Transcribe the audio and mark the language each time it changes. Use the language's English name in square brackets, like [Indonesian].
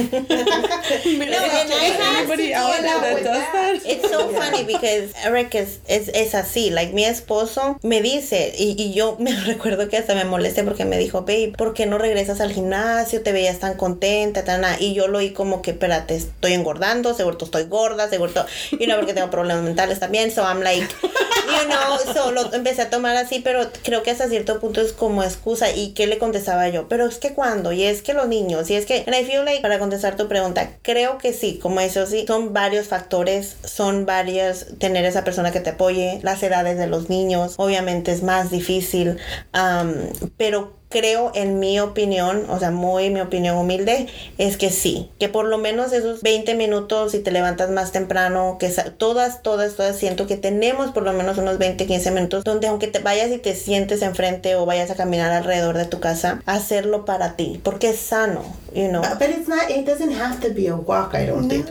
[English] No, no, and I have anybody to else that does that. It's so funny because Eric [Spanish] es así. Like, mi esposo me dice, y yo me recuerdo que hasta me molesté porque me dijo, babe, ¿por qué no regresas al gimnasio? Te veías tan contenta, tan nada. Y yo lo oí como que, espérate, estoy engordando, seguro estoy gorda, seguro, you know, porque tengo problemas mentales también. [English] So I'm like, you know, [Spanish] so lo empecé a tomar así, pero creo que hasta cierto punto es como excusa. ¿Y qué le contestaba yo? Pero es que cuando, y es que los niños, y es que, [English] and I feel like, [Spanish] para contestar tu pregunta, creo que sí, como eso sí, son varios factores, son varios, tener esa persona que te apoye, las edades de los niños, obviamente es más difícil, pero creo, en mi opinión, o sea, muy mi opinión humilde, es que sí, que por lo menos esos 20 minutos si te levantas más temprano, que todas, siento que tenemos por lo menos unos 20, 15 minutos, donde aunque te vayas y te sientes enfrente o vayas a caminar alrededor de tu casa, hacerlo para ti, porque es sano, you know. [English] But it's not, it doesn't have to be a walk, I don't think.